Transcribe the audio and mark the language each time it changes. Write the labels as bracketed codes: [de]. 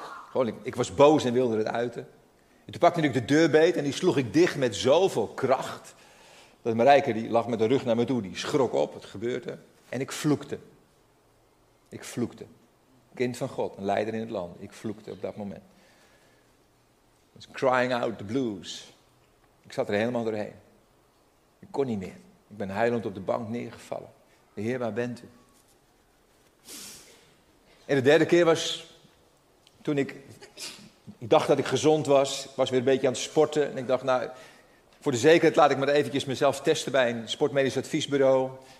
[nl] Gewoon, ik was boos en wilde het uiten. En toen pakte ik de deurbeet en die sloeg ik dicht met zoveel kracht. Dat Marijke, die lag met de rug naar me toe, die schrok op, het gebeurde. En ik vloekte. Ik vloekte. Kind van God, een leider in het land. Ik vloekte op dat moment. [en] I was crying out the blues. [nl] Ik zat er helemaal doorheen. Ik kon niet meer. Ik ben huilend op de bank neergevallen. De Heer, waar bent u? En de derde keer was toen ik dacht dat ik gezond was. Ik was weer een beetje aan het sporten. En ik dacht, nou, voor de zekerheid laat ik maar eventjes mezelf testen bij een sportmedisch adviesbureau.